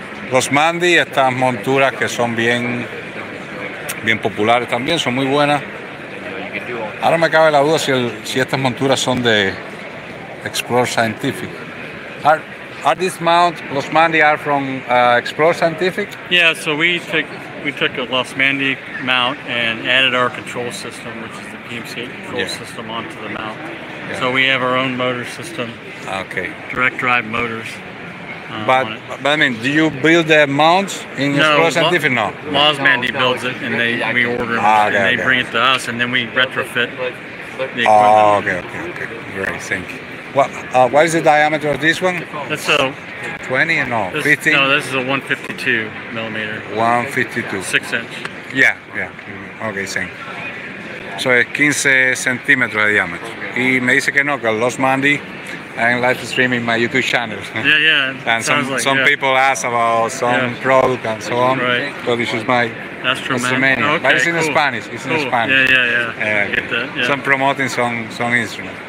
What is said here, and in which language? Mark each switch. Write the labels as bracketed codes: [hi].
[es] Los Mandy, estas monturas que son bien, bien populares también, son muy buenas. Ahora me cabe la duda si estas monturas son de Explore Scientific. [en] Are these mounts, Los Mandy, are from Explore Scientific? Yeah, so we took a Los Mandy mount and added our control system, which is the PMC control system, onto the mount. Yeah. So we have our own motor system. Okay. Direct drive motors. But I mean, do you build the mounts in Explore Scientific? No, Los Mandy builds it, and we order them, and they bring it to us, and then we retrofit the equipment. Oh, okay, great, thank you. What is the diameter of this one? That's a 20, no, 15? No, this is a 152 millimeter. 152. 6 inch. Yeah, okay, thank you. So, [es] 15 centímetros de diámetro. Y me dice que no, que Los Mandy, [en] I'm live streaming my YouTube channel. Yeah. And some people ask about some product and so on. Right. So this is my Astromania. Oh, okay, but it's in cool. Spanish. It's cool. In Spanish. Yeah. Okay. I get that. Yeah. So I'm promoting some instrument.